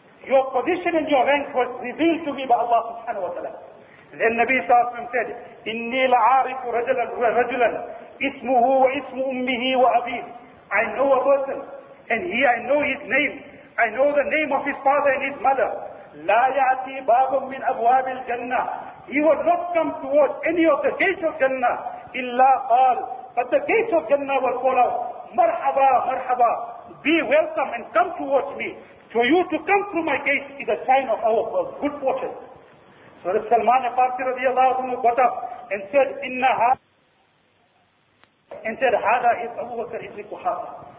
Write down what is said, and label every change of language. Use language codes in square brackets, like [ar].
[en] Your position and your rank was revealed to me by Allah subhanahu wa ta'ala. Then Nabi sallallahu alayhi wa sallam said, [ar] إِنِّي لَعَارِفُ رَجُلًا إِسْمُهُ وَإِسْمُ أُمِّهِ وَأَبِيهِ. [en] I know a person. And he, I know his name. I know the name of his father and his mother. [ar] لا يأتي باب من أبواب الجنة. [en] He would not come towards any of the gates of Jannah. [ar] إلا قال. [en] But the gates of Jannah will call out, [ar] مرحبا مرحبا. [en] Be welcome and come towards me. For you to come through my gates is a sign of our good fortune. So that Salman al-Farsi radiallahu anhu got up and said, [ar] هذا [en] is Abu Bakr ibn Quhafa.